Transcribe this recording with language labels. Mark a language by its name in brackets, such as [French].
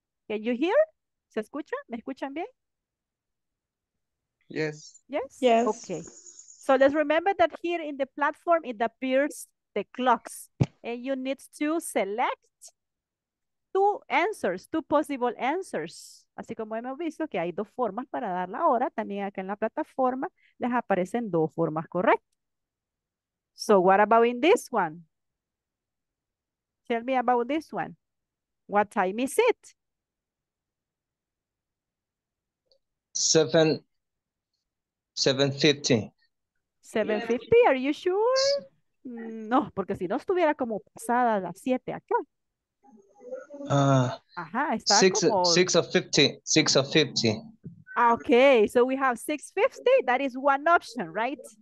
[English] Can you hear? [Spanish] ¿Se escucha? ¿Me escuchan bien? [English] Yes. Yes? Yes. Okay. So let's remember that here in the platform, it appears the clocks and you need to select two possible answers. [Spanish] Así como hemos visto que hay dos formas para dar la hora, también acá en la plataforma les aparecen dos formas correctas. [English] So what about in this one? Tell me about this one. What time is it? 7:15. 7:50, are you sure? [Spanish] No, porque si no estuviera como pasada las 7 acá. Ajá, está como 6:50. [English] Ok, so we have 6:50, that is one option, right?